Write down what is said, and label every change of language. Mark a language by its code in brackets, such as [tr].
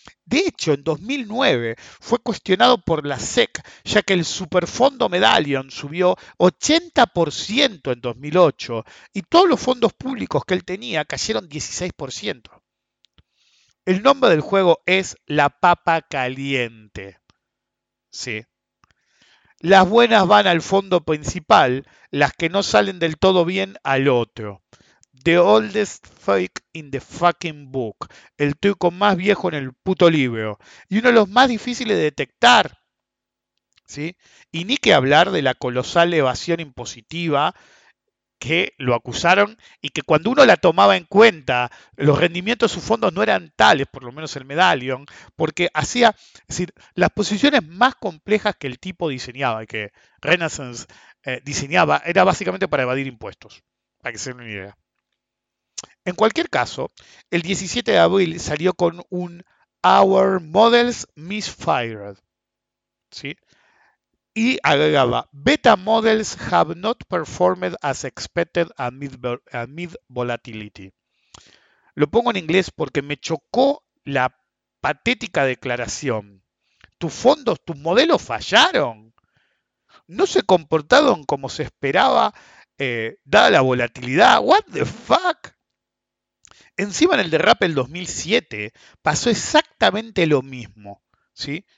[es] De hecho, en 2009 fue cuestionado por la SEC, ya que el superfondo Medallion subió 80% en 2008 y todos los fondos públicos que él tenía cayeron 16%. El nombre del juego es la papa caliente. Sí. Las buenas van al fondo principal, las que no salen del todo bien al otro. [en] The oldest fake in the fucking book. [es] El truco más viejo en el puto libro. Y uno de los más difíciles de detectar. ¿Sí? Y ni que hablar de la colosal evasión impositiva que lo acusaron y que cuando uno la tomaba en cuenta, los rendimientos de sus fondos no eran tales, por lo menos el Medallion, porque hacía, es decir, las posiciones más complejas que el tipo diseñaba y que Renaissance diseñaba, era básicamente para evadir impuestos, para que se den una idea. En cualquier caso, el 17 de abril salió con un [en] Our Models Misfired, [es] ¿sí? Y agregaba, [en] beta models have not performed as expected amid volatility. [es] Lo pongo en inglés porque me chocó la patética declaración. Tus fondos, tus modelos fallaron. No se comportaron como se esperaba, dada la volatilidad. [en] What the fuck? [es] Encima en el derrape del 2007 pasó exactamente lo mismo. ¿Sí?